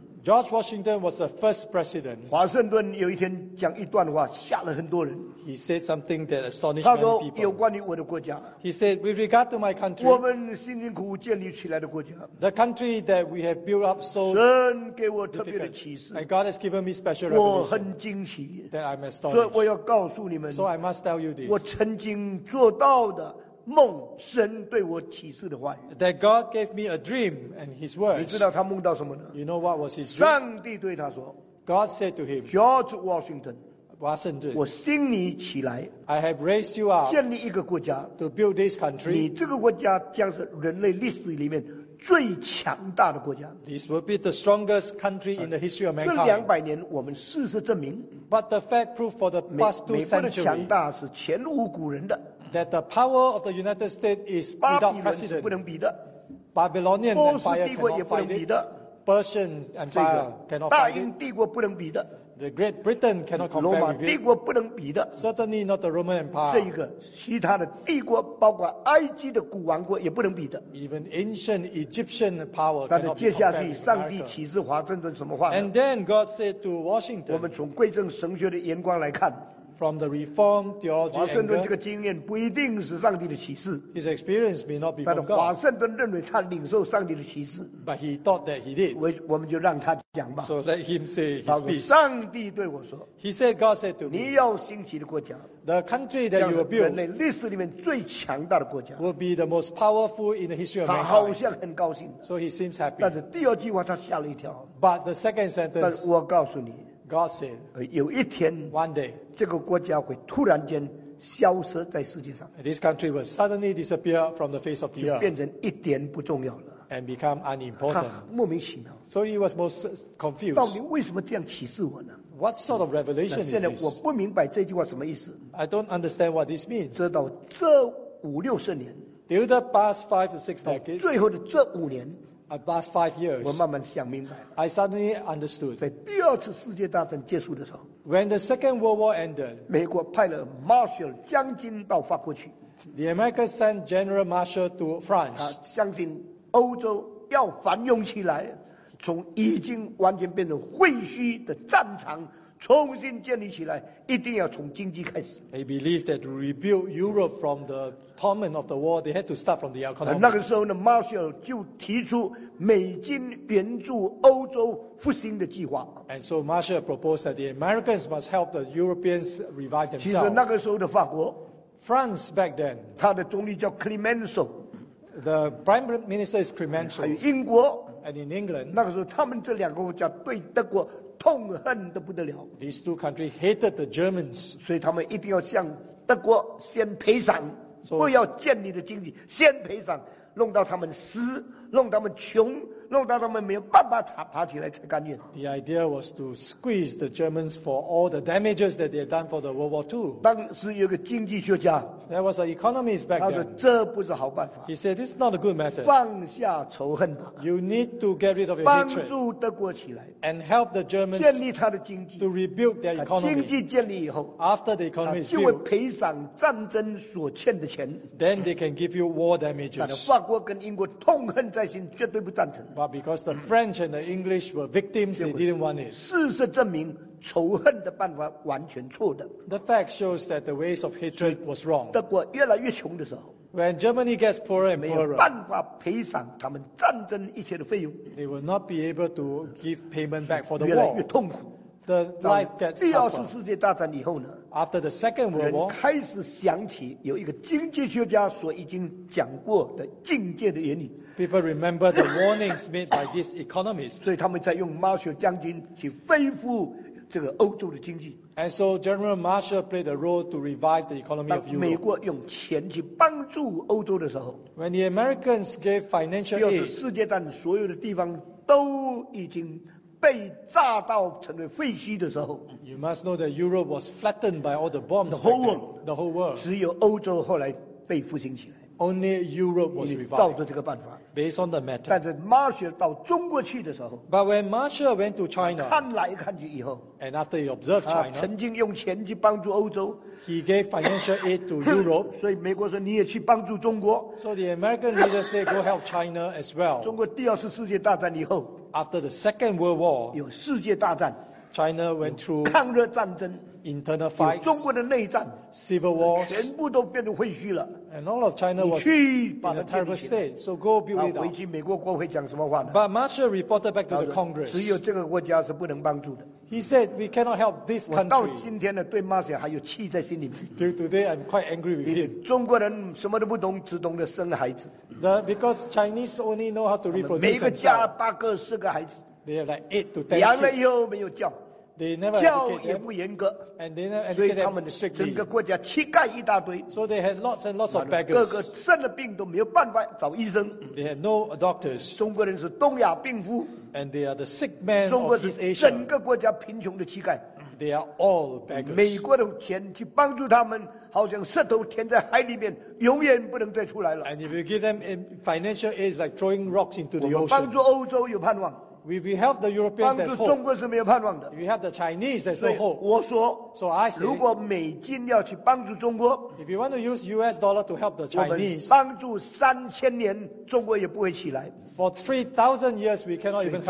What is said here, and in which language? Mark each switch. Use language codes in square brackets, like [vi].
[en] George Washington was the first president. [zh] 华盛顿有一天讲一段话，吓了很多人。 [en] He said something that astonished many people. [zh] 他说有关于我的国家。 [en] He said, with regard to my country. [zh] 我们辛辛苦苦建立起来的国家。 [en] The country that we have built up so. [zh] 神给我特别的启示。 [en] And God has given me special revelation. [zh] 我很惊奇。 [en] That I'm astonished. [zh] 所以我要告诉你们。 [en] So I must tell you this. [zh] 我曾经做到的。梦神对我启示的话语。 [en] That God gave me a dream and His words. [zh] 你知道他梦到什么呢 [en] ？You know what was his dream? [zh] 上帝对他说 [en] ，God said to him, George Washington, Washington, [zh] 我兴你起来 [en] ，I have raised you up, [zh] 建立一个国家 [en] ，to build this country. [zh] 你这个国家将是人类历史里面最强大的国家。 [en] This will be the strongest country in the history of mankind. [zh] 这两百年，我们事实证明 [en] ，But the fact proved for the past two centuries, [zh] 美国的强大是前无古人的。 [en] That the power of the United States is without precedent. [zh] 不能比的 [en] Babylonian Empire cannot fight it. Persian Empire cannot fight it. [zh] 大英帝国不能比的 [en] The Great Britain cannot compare with it. [zh] 罗马帝国不能比的 [en] Certainly not the Roman Empire. [zh] 这一个其他的帝国，包括埃及的古王国也不能比的 [en] Even ancient Egyptian power cannot compare. [zh] 接下去，上帝启示华盛顿什么话呢 [en] ？And then God said to Washington. [zh] 我们从贵政神学的眼光来看。 [en] From the Reform theology, [zh] 华盛顿这个经验不一定是上帝的启示。 [en] His experience may not be from God. [zh] 但华盛顿认为他领受上帝的启示。 [en] But he thought that he did. [zh] 我们就让他讲吧。 [en] So let him say his piece. [zh] 上帝对我说。 [en] He said, God said to me, [zh] 你要兴起的国家。 [en] The country that you will build. [zh] 人类历史里面最强大的国家。 [en] Will be the most powerful in the history of mankind. [zh] 他好像很高兴。 [en] So he seems happy. [zh] 但是第二句话他吓了一跳。 [en] But the second sentence. [zh] 但我告诉你。 [en] God said, [zh] 有一天 [en] one day, [zh] 这个国家会突然间消失在世界上 [en] This country will suddenly disappear from the face of the earth [zh] 就变成一点不重要了 [en] And become unimportant [zh] 莫名其妙 [en] So he was most confused [zh] 到底为什么这样启示我呢 [en] What sort of revelation is this? [zh] 现在我不明白这句话什么意思 [en] I don't understand what this means [zh] 直到这五六十年 [en] Till the past five or six decades [zh] 最后的这五年 [en] About five years, [zh] 我慢慢想明白。 [en] I suddenly understood. [zh] 在第二次世界大战结束的时候 [en] ，When the Second World War ended, [zh] 美国派了 Marshall 将军到法国去。 [en] The America sent General Marshall to France. [zh] 他相信欧洲要繁荣起来，从已经完全变成废墟的战场，重新建立起来，一定要从经济开始。 [en] They believed that to rebuild Europe from the torment of the war, they had to start from the economy. [zh] 那个时候呢 ，Marshall 就提出美金援助欧洲复兴的计划。 [en] And so Marshall proposed that the Americans must help the Europeans revive themselves. [zh] 其实那个时候的法国 [en] ，France back then， [zh] 他的总理叫 Clemenceau。 [en] The Prime Minister is Clemenceau. [zh] 还有英国 [en] ，and in England， [zh] 那个时候他们这两个国家对德国。痛恨得不得了。 [en] These two countries hated the Germans， [zh] 所以他们一定要向德国先赔偿， so, 不要建立的经济，先赔偿，弄到他们死，弄到他们穷，弄到他们没有办法爬起来才甘愿。 [en] The idea was to squeeze the Germans for all the damages that they had done for the World War II。 [zh] 当时有个经济学家 [en] ，There was an economist back then， [zh] 他说这不是好办法。 [en] He said it's not a good method。 [zh] 放下仇恨吧。 [en] You need to get rid of your hatred。 [zh] 帮助德国起来 [en] ，and help the Germans [zh] 建立他的经济 [en] ，to rebuild their economy。 [zh] 经济建立以后 [en] ，after the economy is built， [zh] 就会赔偿战争所欠的钱。 [en] Then they can give you war damages。 [zh] 但法国跟英国痛恨在心，绝对不赞成。 [en] But because the French and the English were victims, they didn't want it. [zh] 事实证明，仇恨的办法完全错的。 [en] The fact shows that the ways of hatred was wrong. [zh] 德国越来越穷的时候 [en] ，When Germany gets poorer and poorer, [zh] 没有办法赔偿他们战争一切的费用。 [en] They will not be able to give payment back for the war. [zh] 越来越痛苦。 [en] The life gets tougher. [zh] 第二次世界大战以后呢 [en] ？After the Second World War, [zh] 人开始想起有一个经济学家所已经讲过的境界的原理。 [en] People remember the warnings made by this economist. [zh] 所以他们在用 Marshall 将军去恢复这个欧洲的经济。 [en] And so General Marshall played a role to revive the economy of Europe. [zh] 美国用钱去帮助欧洲的时候 [en] ，When the Americans gave financial aid, [zh] 第二次世界大战所有的地方都已经被炸到成为废墟的时候 [en] ，You must know that Europe was flattened by all the bombs. The whole world, the whole world. [zh] 只有欧洲后来被复兴起来。 [en] Only Europe was revived. [zh] 照着这个办法 [en] ，based on the method. [zh] 但是 Marshall 到中国去的时候 [en] ，But when Marshall went to China, [zh] 看来看去以后 [en] ，and after he observed China, [zh] 他曾经用钱去帮助欧洲 [en] ，he gave financial aid to Europe. [zh] 所以美国说你也去帮助中国。 [en] So the American leader said, "Go help China as well." [zh] 中国第二次世界大战以后 [en] ，after the Second World War, [zh] 有世界大战 [en] ，China went through [zh] 抗日战争。 [en] Internal fights, [zh] 中国的内战 [en] civil wars, [zh] 全部都变成废墟了。 [en] And all of China was in a terrible state. So go build it up. [zh] 回去美国国会讲什么话呢 [en] ？But Marshall reported back to the Congress. [zh] 只有这个国家是不能帮助的。 [en] He said we cannot help this country. [zh] 我到今天呢，对 Marshall 还有气在心里面。 [en] Till today, I'm quite angry with him. [zh] 中国人什么都不懂，只懂得生孩子。 [en] Because Chinese only know how to reproduce. [zh] 每个家八个四个孩子。 [en] They have like 8 to 10. [zh] 养了以后没有教。 [en] They never [zh] 教也不严格 [en] and they never [zh] 所以他们整个国家乞丐一大堆 [en] so they had lots and lots of beggars [zh] 各个生了病都没有办法找医生 [en] they had no doctors [zh] 中国人是东亚病夫 [en] and they are the sick man of East Asia [zh] 整个国家贫穷的乞丐 [en] they are all beggars [zh] 美国的钱去帮助他们好像石头填在海里面永远不能再出来了 [en] and if you give them financial aid like throwing rocks into the ocean [zh] 我们帮助欧洲有盼望 [en] If we help the Europeans, there's hope. [zh] 帮助中国是没有盼望的。 [en] We help the Chinese, there's no hope. [zh] 我说 [en] ，So I say, [zh] 如果美金要去帮助中国 [en] ，If you want to use U.S. dollar to help the Chinese, [zh] 帮助3000年，中国也不会起来。 [en] For 3,000 years, we cannot even help.